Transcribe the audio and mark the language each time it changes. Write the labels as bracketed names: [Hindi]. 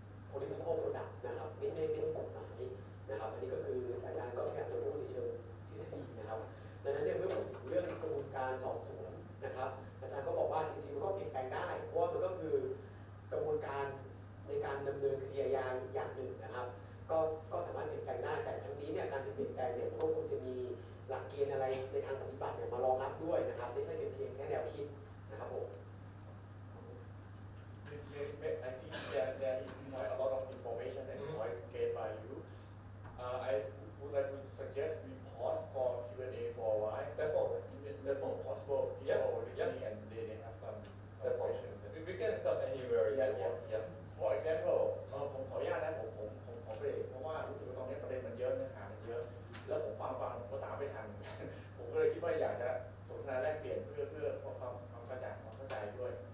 [English] political product [Thai] นะครับไม่ใช่เป็นกฎหมายนะครับอันนี้ก็คืออาจารย์ก็แค่จะพูดในเชิงทฤษฎีนะครับดังนั้นเนี่ยเมื่อพูดถึงเรื่องกระบวนการสอบสวนนะครับอาจารย์ก็บอกว่าจริงๆมันก็เปลี่ยนแปลงได้เพราะว่ามันก็คือกระบวนการในการดำเนินคดีอาญาอย่างหนึ่งนะครับก็สามารถเปลี่ยนแปลงได้แต่ทั้งนี้เนี่ยการจะเปลี่ยนแปลงเนี่ยมันก็คงจะมีหลักเกณฑ์อะไรในทางปฏิบัติเนี่ยมารองรับด้วยนะครับไม่ใช่เพียงแค่แนวคิดนะครับผม [English] I think there is quite a lot of information that you guys gave by you. I would like to suggest we pause for Q&A for a while. Therefore possible people listening and they have some questions. We can stop anywhere. Yeah. For example, [Thai] ผมขออนุญาตนะผมเบรกเพราะว่ารู้สึกว่าตอนนี้ประเด็นมันเยอะเนื้อหามันเยอะแล้วผมฟังก็ตามไม่ทันผมก็เลยคิดว่าอยากจะสนทนาแลกเปลี่ยนเพื่อความกระจ่างความเข้าใจด้วย